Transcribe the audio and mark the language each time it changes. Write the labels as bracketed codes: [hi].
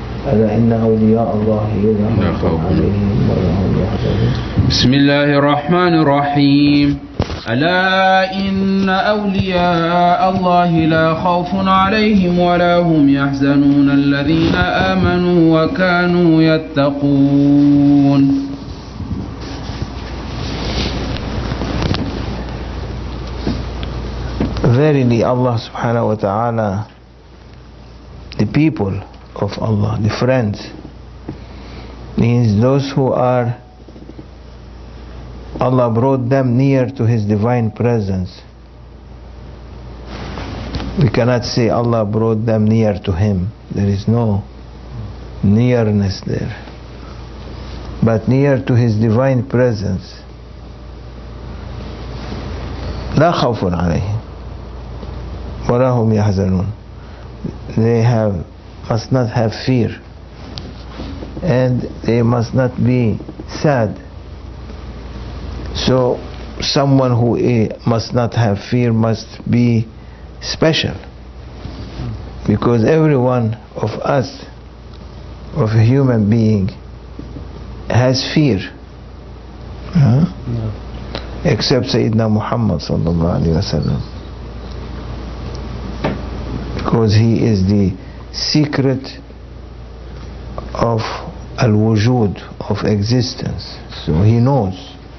[ar] بسم الله الرحمن الرحيم ألا إن أولياء الله لا خوف عليهم ولا هم يحزنون الذين آمنوا وكانوا يتقون [en] Verily Allah subhanahu wa ta'ala the people of Allah, the friends, means those who are, Allah brought them near to His divine presence. We cannot say Allah brought them near to Him. There is no nearness there. But near to His divine presence. [ar] لا خوف عليهم ولا هم يحزنون. [en] They have must not have fear and they must not be sad. So someone who must not have fear must be special, because every one of us, of a human being, has fear, except Sayyidina Muhammad sallallahu alayhi wa sallam, because he is the secret of al-wujud, of existence. So he knows.